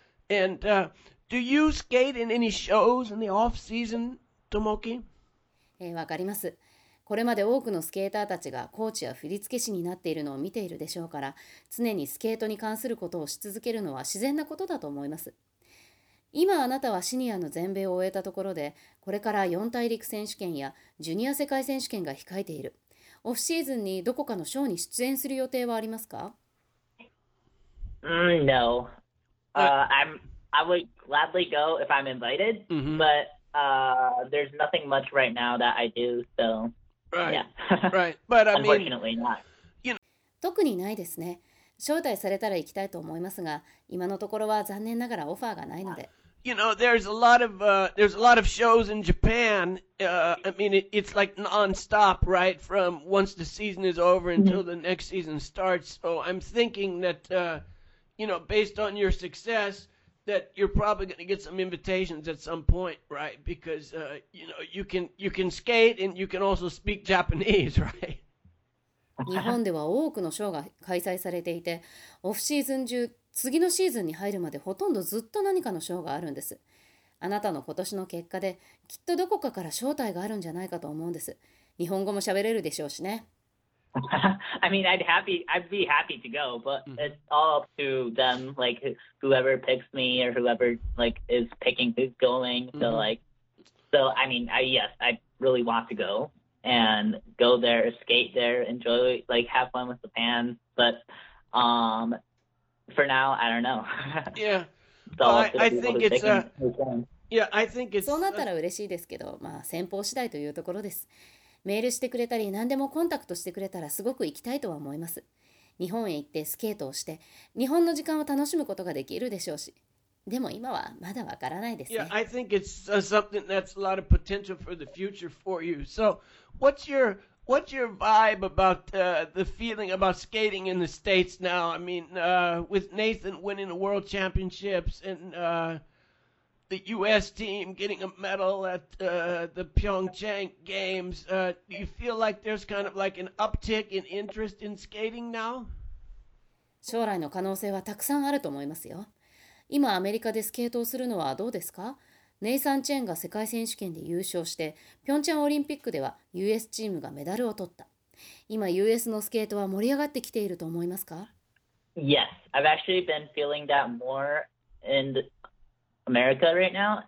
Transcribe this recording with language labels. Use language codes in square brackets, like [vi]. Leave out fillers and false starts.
[en] And do you skate in any shows in the off season, Tomoki? [ja] わかります。これまで多くのスケーターたちがコーチや振付師になっているのを見ているでしょうから、常にスケートに関することをし続けるのは自然なことだと思います。今あなたはシニアの全米を終えたところで、これから四大陸選手権やジュニア世界選手権が控えている。オフシーズンにどこかのショーに出演する予定はありますか？ [en] No. I would gladly go if I'm invited, but there's nothing much right now that I do, so... Right. Yeah. Right. But I mean, unfortunately not. [ja] 特にないですね。招待されたら行きたいと思いますが、今のところは残念ながらオファーがないので。 [en] You know, there's a lot of shows in Japan. I mean, it's like non-stop, right? From once the season is over until the next season starts. So I'm thinking that, you know, based on your success, that you're probably going to get some invitations at some point, right? Because, you know, you can skate and you can also speak Japanese, right? [ja] 日本では多くのショーが開催されていて、オフシーズン中、次のシーズンに入るまでほとんどずっと何かのショーがあるんです。あなたの今年の結果で、きっとどこかから招待があるんじゃないかと思うんです。日本語も喋れるでしょうしね。 [en] I mean, I'd be happy to go, but it's all up to them, like whoever picks me or whoever like is picking who's going. So like, so I mean, I really want to go and go there, skate there, enjoy, like have fun with the fans. But for now, I don't know. Yeah, well, I think it's. [ja] そうなったら嬉しいですけど、まあ先方次第というところです。メールしてくれたり何でもコンタクトしてくれたらすごく行きたいとは思います。日本へ行ってスケートをして日本の時間を楽しむことができるでしょうし、でも今はまだわからないですね。 [en] Yeah, I think it's something that's a lot of potential for the future for you. So what's your vibe about the feeling about skating in the States now? I mean, with Nathan winning the world championships and the U.S. team getting a medal at the Pyeongchang Games, do you feel like there's kind of like an uptick in interest in skating now? [ja] 将来の可能性はたくさんあると思いますよ。今アメリカでスケートをするのはどうですか？ネイサン・チェンが世界選手権で優勝して、ピョンチャンオリンピックでは US チームがメダルを取った。今 US のスケートは盛り上がってきていると思いますか？ [en] Yes, I've actually been feeling that more in America right now.